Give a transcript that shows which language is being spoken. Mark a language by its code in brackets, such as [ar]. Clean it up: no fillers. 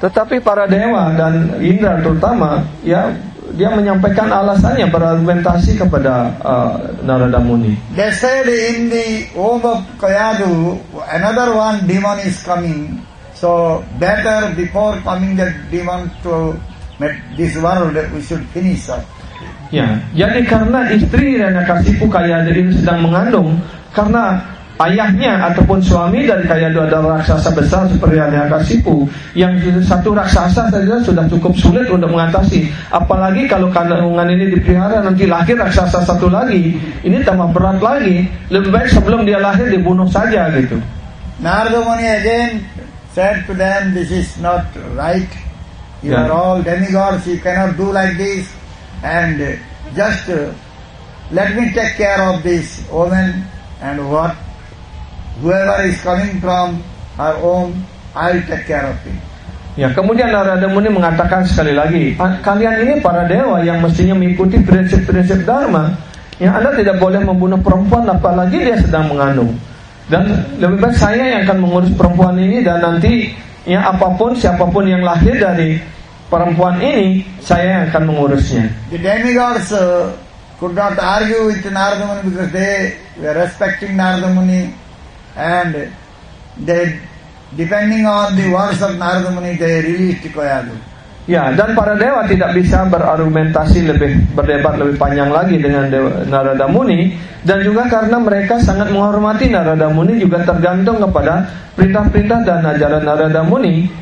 [id] Tetapi para dewa dan Indra terutama, ya, dia menyampaikan alasannya, berargumentasi kepada Narada Muni. [en] They said in the womb of Kayadu another one demon is coming, so better before coming that demon to this world we should finish up. [id] Ya, jadi karena istri Hiranyakasipu Kayadu ini sedang mengandung, karena ayahnya ataupun suami dari Kayadu adalah raksasa besar seperti Hiranyakasipu, yang satu raksasa saja sudah cukup sulit untuk mengatasi, apalagi kalau kandungan ini dipelihara nanti lahir raksasa satu lagi, ini tambah berat lagi, lebih baik sebelum dia lahir dibunuh saja gitu. [en] Narada Muni again said to them, this is not right, you are all demigods, you cannot do like this, and just let me take care of this woman, and what whoever is coming from her home, I'll take care of him. [id] Ya, kemudian Narada Muni mengatakan sekali lagi, kalian ini para dewa yang mestinya mengikuti prinsip-prinsip Dharma, yang Anda tidak boleh membunuh perempuan apalagi dia sedang mengandung. Dan lebih baik saya yang akan mengurus perempuan ini, dan nanti ya apapun siapapun yang lahir dari perempuan ini, saya yang akan mengurusnya. [en] The demigods could not argue with Narada Muni because they were respecting Narada Muni. And they, depending on the words of Narada Muni, they released Kayadu. [id] Ya, dan para dewa tidak bisa berargumentasi lebih, berdebat lebih panjang lagi dengan Narada Muni, dan juga karena mereka sangat menghormati Narada Muni, juga tergantung kepada perintah-perintah dan ajaran Narada Muni.